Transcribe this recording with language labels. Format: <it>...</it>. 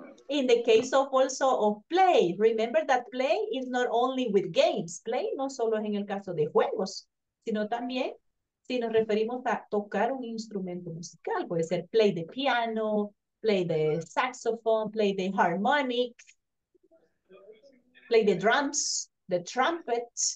<en>In the case of also of play, remember that play is not only with games.</en> <es>Play no solo es en el caso de juegos, sino también si nos referimos a tocar un instrumento musical. Puede ser</es> <en>play the piano, play the saxophone, play the harmonic, play the drums, the trumpet.</en>